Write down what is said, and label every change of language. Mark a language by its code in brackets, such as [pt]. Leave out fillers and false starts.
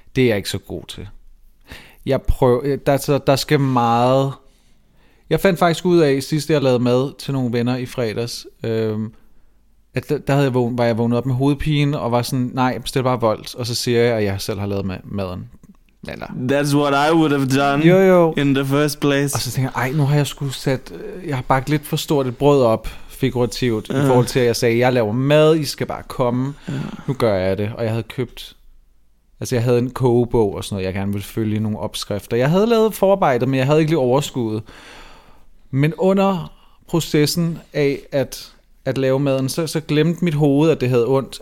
[da] Det er jeg ikke så god til. Jeg prøver, der skal meget... Jeg fandt faktisk ud af, sidst jeg lavede mad til nogle venner i fredags, at der havde jeg var jeg vågnet op med hovedpine, og var sådan, nej, bestil bare voldt, og så siger jeg, at jeg selv har lavet maden. Eller, [en] that's what I would have done, [da] jo, jo, [en] in the first place. [da] Og så tænker jeg, ej, nu har jeg sgu sat... Jeg har bakket lidt for stort et brød op, figurativt, i forhold til, at jeg sagde, jeg laver mad, I skal bare komme. Nu gør jeg det, og jeg havde købt... Altså, jeg havde en kogebog og sådan noget, jeg gerne ville følge nogle opskrifter. Jeg havde lavet forarbejde, men jeg havde ikke lige overskuddet. Men under processen af at lave maden, så glemte mit hoved, at det havde ondt.